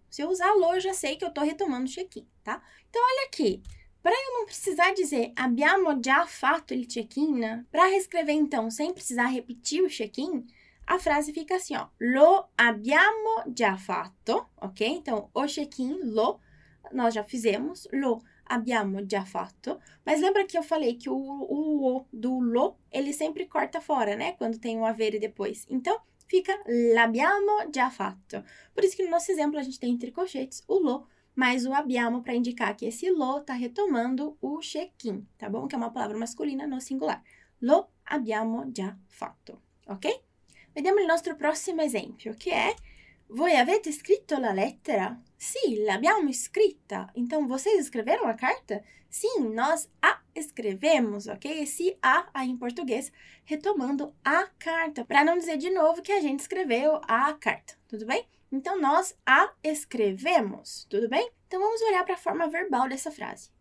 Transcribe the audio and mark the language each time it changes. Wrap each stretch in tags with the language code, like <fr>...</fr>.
<pt>Se eu usar lo, eu já sei que eu estou retomando check-in, tá? Então, olha aqui, para eu não precisar dizer</pt> <it>abbiamo già fatto il check-in,</it> <pt>para reescrever, então, sem precisar repetir o check-in, a frase fica assim, ó,</pt> <it>lo abbiamo già fatto,</it> <pt>ok? Então, o check-in, lo, nós já fizemos, lo.</pt> <it>Abbiamo già fatto.</it> <pt>Mas lembra que eu falei que o do lo, ele sempre corta fora, né? Quando tem o avere depois. Então, fica</pt> <it>l'abbiamo già fatto.</it> <pt>Por isso que no nosso exemplo a gente tem entre colchetes o lo, mais o abbiamo para indicar que esse lo está retomando o check-in, tá bom? Que é uma palavra masculina no singular.</pt> <it>Lo abbiamo già fatto, ok? Vediamo il nostro prossimo esempio, che è. Voi avete scritto la lettera? Sì, l'abbiamo scritta.</it> <pt>Então, vocês escreveram a carta? Sim, nós a escrevemos, ok? Esse a em português, retomando a carta, para não dizer de novo que a gente escreveu a carta, tudo bem? Então, nós a escrevemos, tudo bem? Então, vamos olhar para a forma verbal dessa frase.</pt>